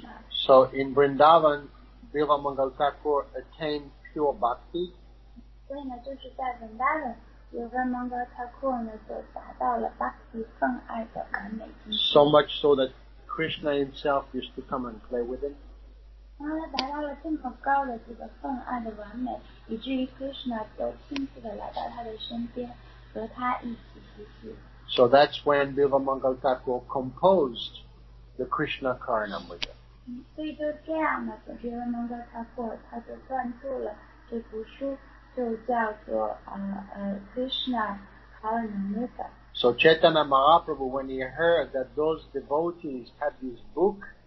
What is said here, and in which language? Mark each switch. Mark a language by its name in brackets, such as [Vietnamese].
[English] So in Vrindavan, Bilva Mangal Thakur attained pure bhakti. So much so that Krishna himself used to come and play with him. [Chinese] 当他达到了这么高的这个分爱的完美，以至于 Krishna 都亲自的来到他的身边，和他一起嬉戏。 [English] So that's when Bilva Mangal Thakur composed the Krishna Karanamrita. [Chinese] 所以就这样呢，就 Bilva Mangal Thakur 他就撰著了这部书，就叫做Krishna Karanamrita. [English] So Chaitanya Mahaprabhu, when he heard that those devotees had this book.